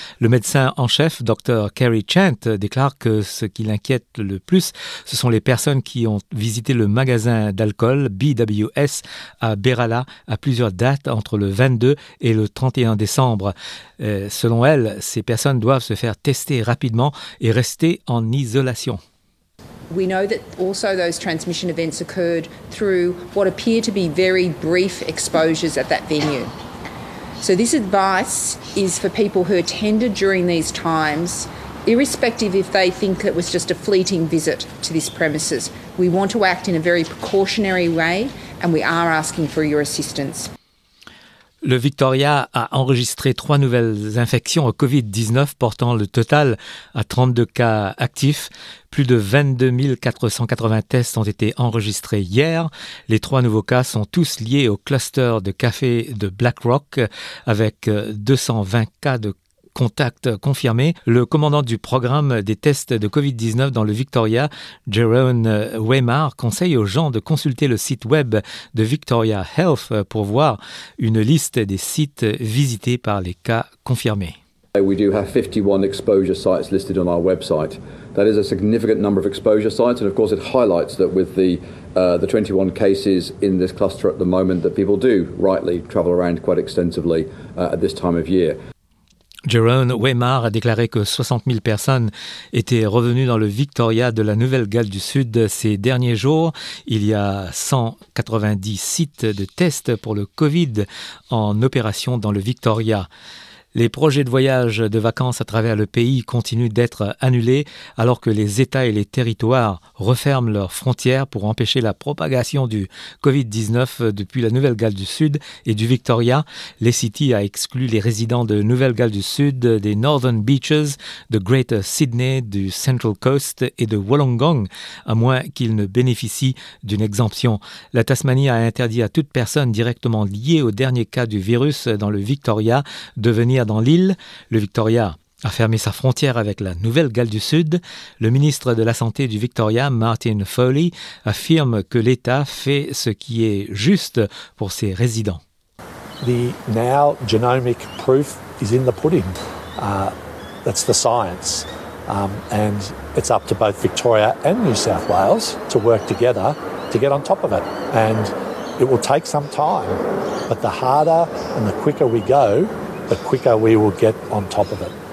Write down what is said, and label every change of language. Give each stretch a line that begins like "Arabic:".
French: Le médecin en chef, Dr. Kerry Chant, déclare que ce qui l'inquiète le plus, ce sont les personnes qui ont visité le magasin d'alcool BWS à Berala à plusieurs dates entre le 22 et le 31 décembre. Selon elle, ces personnes doivent se faire tester rapidement et rester en isolation.
English: We know that also those transmission events occurred through what appear to be very brief exposures at that venue. So this advice is for people who attended during these times, irrespective if they think it was just a fleeting visit to this premises. We want to act in a very precautionary way and we are asking for your assistance.
French: Le Victoria a enregistré 3 nouvelles infections au Covid-19, portant le total à 32 cas actifs. Plus de 22 480 tests ont été enregistrés hier. Les 3 nouveaux cas sont tous liés au cluster de café de Black Rock, avec 220 cas de contact confirmé. Le commandant du programme des tests de Covid-19 dans le Victoria, Jerome Waymar, conseille aux gens de consulter le site web de Victoria Health pour voir une liste des sites visités par les cas confirmés.
English: We do have 51 exposure sites listed on our website. That is a significant number of exposure sites, and of course it highlights that with the 21 cases in this cluster at the moment, that people do rightly travel around quite extensively at this time of year.
French: Jerome Waymar a déclaré que 60 000 personnes étaient revenues dans le Victoria de la Nouvelle-Galles du Sud ces derniers jours. Il y a 190 sites de tests pour le COVID en opération dans le Victoria. Les projets de voyage de vacances à travers le pays continuent d'être annulés alors que les États et les territoires referment leurs frontières pour empêcher la propagation du Covid-19 depuis la Nouvelle-Galles du Sud et du Victoria. L'ACT a exclu les résidents de Nouvelle-Galles du Sud, des Northern Beaches, de Greater Sydney, du Central Coast et de Wollongong, à moins qu'ils ne bénéficient d'une exemption. La Tasmanie a interdit à toute personne directement liée au dernier cas du virus dans le Victoria de venir dans l'île. Le Victoria a fermé sa frontière avec la Nouvelle-Galles du Sud. Le ministre de la Santé du Victoria, Martin Foley, affirme que l'État fait ce qui est juste pour ses résidents.
English: The now genomic proof is in the pudding. That's the science. And it's up to both Victoria and New South Wales to work together to get on top of it. And it will take some time, but the harder and the quicker we go, the quicker we will get on top of it.